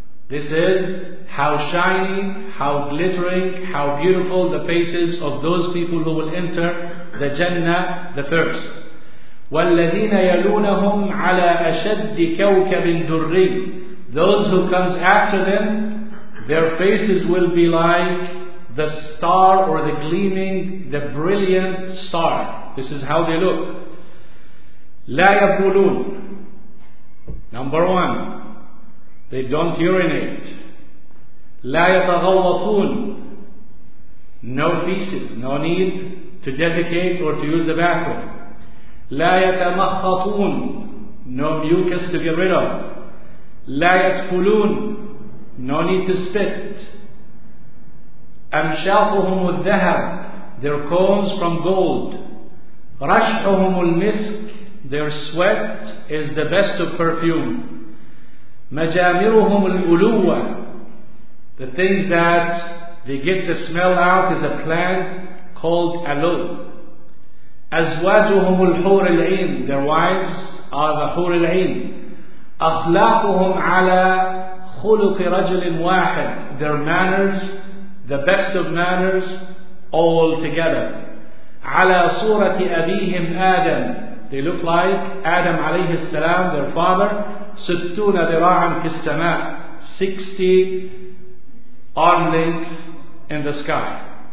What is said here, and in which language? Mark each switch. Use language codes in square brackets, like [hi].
[en] This is how shiny, how glittering, how beautiful the faces of those people who will enter the Jannah, the first. [ar] والذين يلونهم على أشد كوكب دري. [en] Those who comes after them, their faces will be like the star or the gleaming, the brilliant star. This is how they look. [ar] لا يبولون. [en] Number one, they don't urinate. [ar] لا يتغوطون. [en] No feces, no need to defecate or to use the bathroom. [ar] لا يتمخطون. [en] No mucus to get rid of. [ar] لا يتفلون. [en] No need to spit. [ar] أمشاطهم الذهب. [en] Their combs from gold. [ar] رشحهم المسك. [en] Their sweat is the best of perfume. [ar] مجامرهم الألوة. [en] The things that they get the smell out is a plant called aloe. [ar] أزواجهم الحور العين. [en] Their wives are the حور العين. [ar] أخلاقهم على خلق رجل واحد. [en] Their manners, the best of manners, all together. [ar] على صورة أبيهم آدم. [en] They look like Adam عليه السلام, their father. 60 [ar] ذراعا في السماء. [en] 60 arm length in the sky.